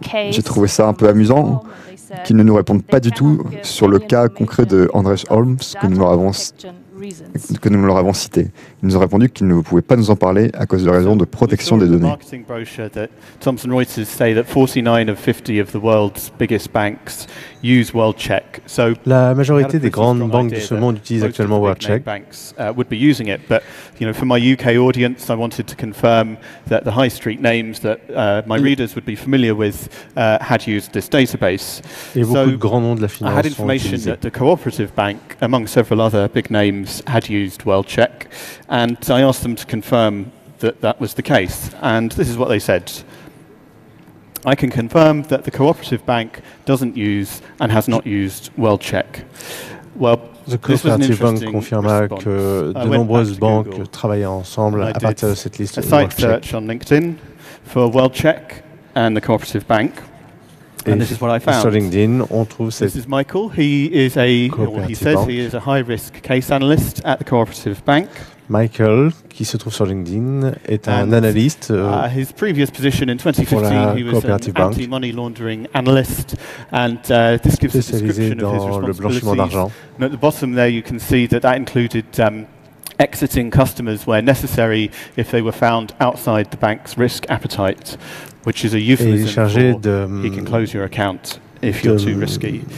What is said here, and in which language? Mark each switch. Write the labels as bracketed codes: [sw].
[fr] J'ai trouvé ça un peu amusant qu'ils ne nous répondent pas du tout sur le cas concret de Andrej Holmes que nous leur avons cité. Ils nous ont répondu qu'ils ne pouvaient pas nous en parler à cause de raisons de protection des données. [en] Thomson Reuters say that 49 of 50 of the world's biggest banks use World Check. [fr] So la majorité des grandes banques de ce monde utilisent actuellement World Check. [en] Would be using it, but you know, for my UK audience, I wanted to confirm that the high street names that my readers would be familiar with had used this database. [fr] Et beaucoup de grands noms de la finance. [en] I had information that the cooperative bank, among several other big names, had used World Check, and I asked them to confirm that that was the case, and this is what they said. I can confirm that the cooperative bank doesn't use and has not used WorldCheck. Well, [fr] the cooperative bank confirma que de nombreuses banques travaillaient ensemble à partir de cette liste. [en] I did a site search on LinkedIn for WorldCheck and the cooperative bank. And this is what I found. [fr] Sur LinkedIn, on trouve cette [en] This is Michael. He is a he says he is a high risk case analyst at the cooperative bank. [fr] Michael, qui se trouve sur LinkedIn, est un analyste. [en] His previous position in 2015, he was an anti-money laundering analyst, and this gives a description of his responsibilities. And at the bottom there, you can see that that included exiting customers where necessary if they were found outside the bank's risk appetite, which is a euphemism for he can close your account if you're too risky.